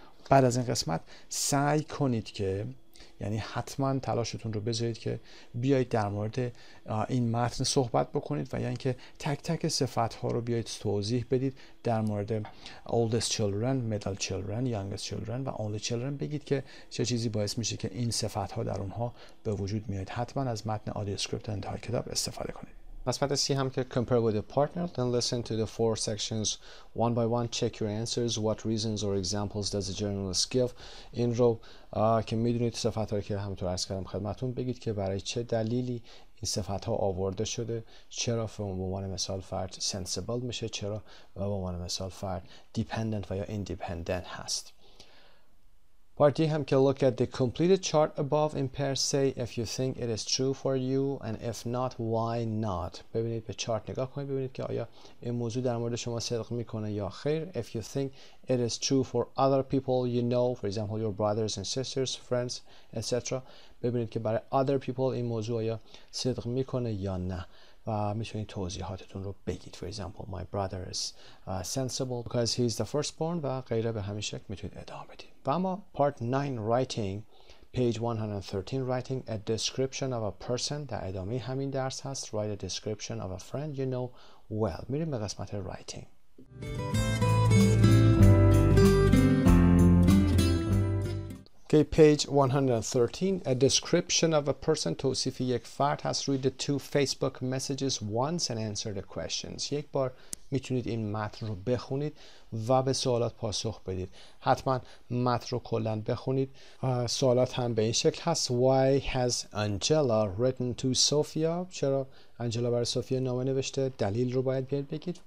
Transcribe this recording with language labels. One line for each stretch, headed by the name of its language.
Persian: بعد از این قسمت سعی کنید که، یعنی حتما تلاشتون رو بذارید که بیایید در مورد این متن صحبت بکنید و یعنی که تک تک صفتها رو بیایید توضیح بدید در مورد
English: oldest children, middle children, youngest children
Persian: و
English: only children
Persian: بگید که چه چیزی باعث میشه که این صفتها در اونها به وجود میاد. حتما از متن آدیو اسکریپت انتهای کتاب استفاده کنید. قسمت سی هم که
English: compare with a partner, then listen to the four sections one by one, check your answers, what reasons or examples does the journalist give.
Persian: این رو که میدونید صفت هایی که همونطور عرض کردم خدمتون، بگید که برای چه دلیلی این صفت ها آورده شده، چرا به عنوان مثال فرد sensible میشه، چرا و به عنوان مثال فرد dependent و یا independent هست.
English: Part D
Persian: هم که
English: look at the completed chart above in pair say if you think it is true for you and if not why not.
Persian: ببینید به چارت نگاه کنید ببینید که آیا این موضوع در مورد شما صدق میکنه یا خیر.
English: If you think it is true for other people you know, for example your brothers and sisters, friends, etc.
Persian: ببینید که برای other people این موضوع آیا صدق میکنه یا نه و میتونید توضیحاتتون رو بگید.
English: For example my brother is sensible because he's the firstborn
Persian: و غیره به همین شکل میتونید ادامه بدید. اما
English: part 9 writing page 113 writing a description of a person
Persian: در ادامه همین درس هست
English: write a description of a friend you know well.
Persian: میریم به قسمت writing.
English: Okay, page 113, a description of a person,
Persian: توصیف یک فرد هست.
English: Read the two Facebook messages once and answer the questions.
Persian: یک بار میتونید این متن رو بخونید و به سوالات پاسخ بدید. حتما متن رو کلن بخونید. سوالات هم به این شکل هست.
English: Why has Angela written to Sophia?
Persian: چرا Angela برای Sophia نامه نوشته؟ دلیل رو باید بیاد بگید.